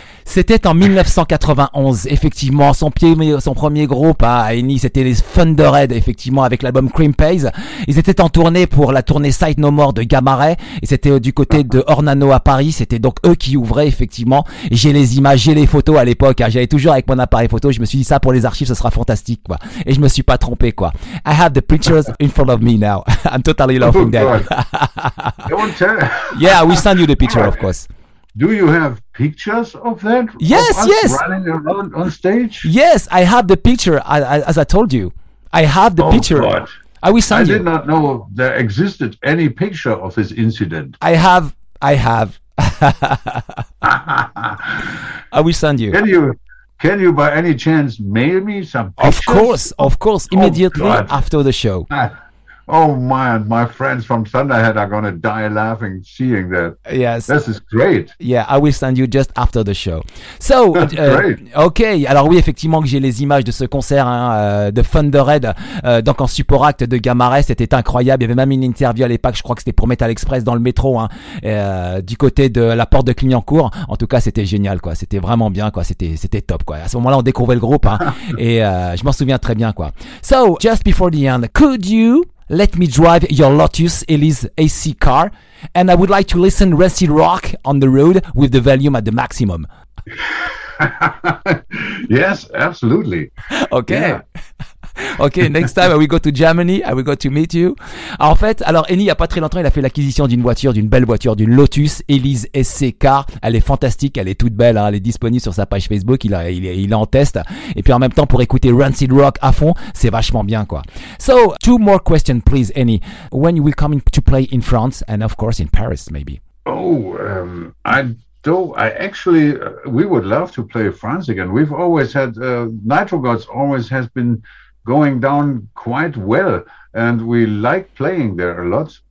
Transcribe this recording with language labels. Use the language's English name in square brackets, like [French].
[French] C'était en 1991, effectivement, son premier groupe à Eni, c'était les Thunderhead, effectivement, avec l'album Cream Pays. Ils étaient en tournée pour la tournée Sight No More de Gamma Ray, et c'était du côté de Ornano à Paris, c'était donc eux qui ouvraient, effectivement. J'ai les images, j'ai les photos à l'époque, j'allais toujours avec mon appareil photo, je me suis dit ça pour les archives, ce sera fantastique, quoi. Et je me suis pas trompé, quoi. [English] I have the pictures in front of me now. I'm totally laughing there. Yeah, we send you the picture, of course. Do you have pictures of that? Yes, of us yes. Running around on stage? Yes, I have the picture, as I told you. I have the picture. God. I did not know there existed any picture of this incident. I have. I will send you. Can you by any chance mail me some pictures? Of course, immediately after the show. Oh man, my friends from Thunderhead are gonna die laughing seeing that. Yes. This is great. Yeah, I will send you just after the show. So, that's great. [French] Ok, alors oui, effectivement que j'ai les images de ce concert hein, de Thunderhead, donc en support acte de Gamma Ray, c'était incroyable. Il y avait même une interview à l'époque, je crois que c'était pour Metal Express dans le métro, hein, du côté de la porte de Clignancourt. En tout cas, c'était génial, quoi. C'était vraiment bien, quoi. C'était top, quoi. À ce moment-là, on découvrait le groupe, hein, et je m'en souviens très bien, quoi. [English] So, just before the end, could you let me drive your Lotus Elise AC car, and I would like to listen Rusty Rock on the road with the volume at the maximum. Yes, absolutely. Okay. Yeah. Okay, next time I will go to Germany, I will go to meet you. [French] En fait, alors Eni, il n'y a pas très longtemps, il a fait l'acquisition d'une voiture, d'une belle voiture, d'une Lotus Elise SC Car. Elle est fantastique, elle est toute belle, hein. Elle est disponible sur sa page Facebook, il est en test. Et puis en même temps, pour écouter Rancid Rock à fond, c'est vachement bien, quoi. [English] So, two more questions, please, Eni. When you will come to play in France, and of course in Paris, maybe? We would love to play France again. We've always had, Nitro Gods always has been going down quite well, and we like playing there a lot.